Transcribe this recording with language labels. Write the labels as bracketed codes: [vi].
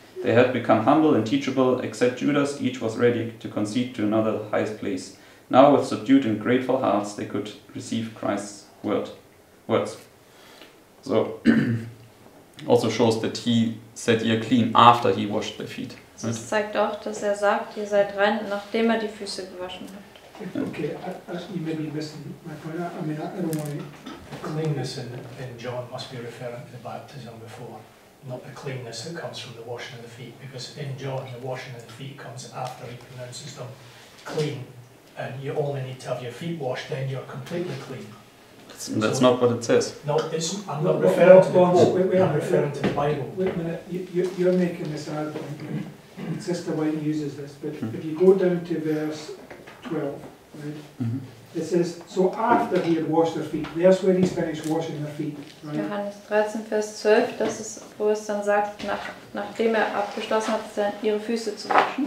[en] They had become humble and teachable, except Judas, each was ready to concede to another the highest place. Now with subdued and grateful hearts, they could receive Christ's words. So, also shows that he said, ye are clean, after he washed their feet. [de] Das zeigt auch, dass er sagt, ihr seid rein, nachdem er die Füße gewaschen hat. [en] Okay, you may be missing my point. I mean, I don't know why. The cleanness in John must be referring to the baptism before, not the cleanness that comes from the washing of the feet, because in John, the washing of the feet comes after he pronounces them clean, and you only need to have your feet washed, then you're completely clean. That's so, not what it says. No, I'm referring to the Bible. Wait a minute, you're making this argument. Sister White uses this, but if you go down to verse 12, right, It says, so after he had washed their feet, that's when he's finished washing their feet. Right? [de] Johannes 13, Vers 12, das ist, wo es dann sagt, nachdem er abgeschlossen hat, ihre Füße zu waschen.